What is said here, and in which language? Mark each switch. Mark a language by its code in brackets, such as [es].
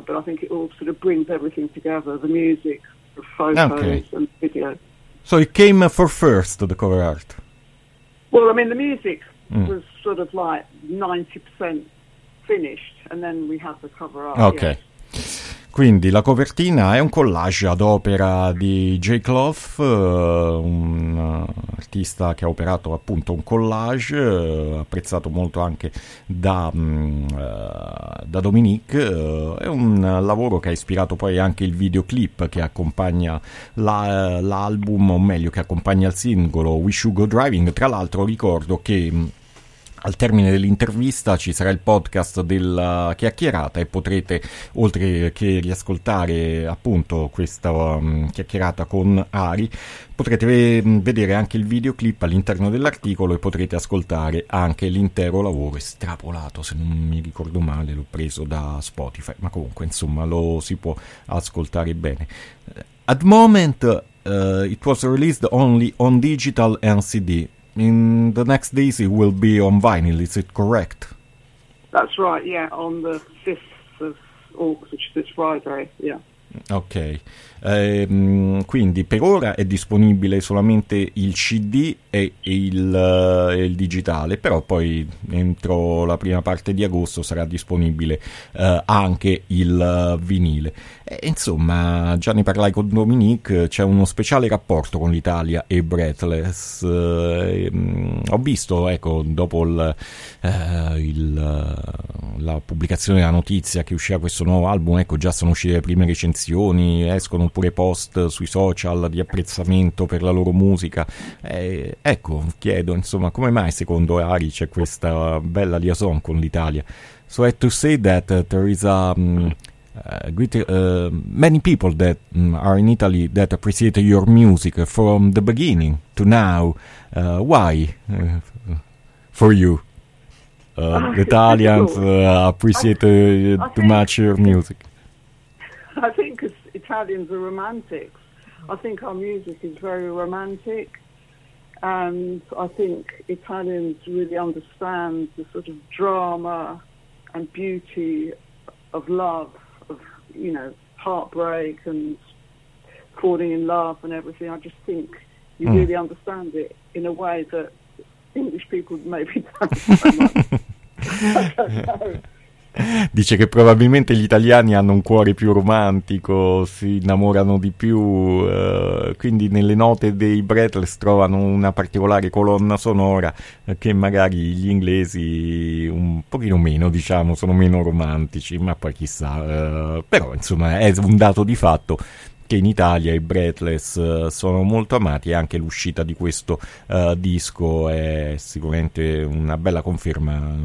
[en] But I think it all sort of brings everything together, the music, the photos, and the video. So it came for first, the cover art? Well, I mean, the music was sort of like 90% finished, and then we have the cover art. Okay. Yes. [it] Quindi la copertina è un collage ad opera di Jay Clough, un artista che ha operato appunto un collage, apprezzato molto anche da Dominique. È un lavoro che ha ispirato poi anche il videoclip che accompagna l'album, o meglio che accompagna il singolo Wish You Go Driving. Tra l'altro ricordo che al termine dell'intervista ci sarà il podcast della chiacchierata e potrete, oltre che riascoltare appunto questa chiacchierata con Ari, potrete vedere anche il videoclip all'interno dell'articolo e potrete ascoltare anche l'intero lavoro estrapolato, se non mi ricordo male l'ho preso da Spotify, ma comunque insomma lo si può ascoltare bene. [en] At the moment it was released only on digital and CD. In the next days it will be on vinyl, is it correct? That's right, yeah, on the 5th of August, which is this Friday, yeah. [it] Ok, quindi per ora è disponibile solamente il CD e il digitale, però poi entro la prima parte di agosto sarà disponibile anche il vinile. E, insomma, già ne parlai con Dominique, c'è uno speciale rapporto con l'Italia e Breathless. Ho visto, ecco, dopo la pubblicazione della notizia che usciva questo nuovo album, ecco, già sono uscite le prime recensioni, escono pure post sui social di apprezzamento per la loro musica. Ecco, chiedo, insomma, come mai secondo Ari c'è questa bella liaison con l'Italia? [en] So I have to say that there is a many people that are in Italy that appreciate your music from the beginning to now. Why? For you? The Italians appreciate too much your music. I think cause Italians are romantics. I think our music is very romantic. And I think Italians really understand the sort of drama and beauty of love, of, you know, heartbreak and falling in love and everything. I just think you really understand it in a way that English people maybe don't. [it] Dice che probabilmente gli italiani hanno un cuore più romantico, si innamorano di più, quindi nelle note dei Breathless trovano una particolare colonna sonora che magari gli inglesi un pochino meno, diciamo, sono meno romantici, ma poi chissà, però insomma è un dato di fatto che in Italia i Breathless sono molto amati e anche l'uscita di questo disco è sicuramente una bella conferma.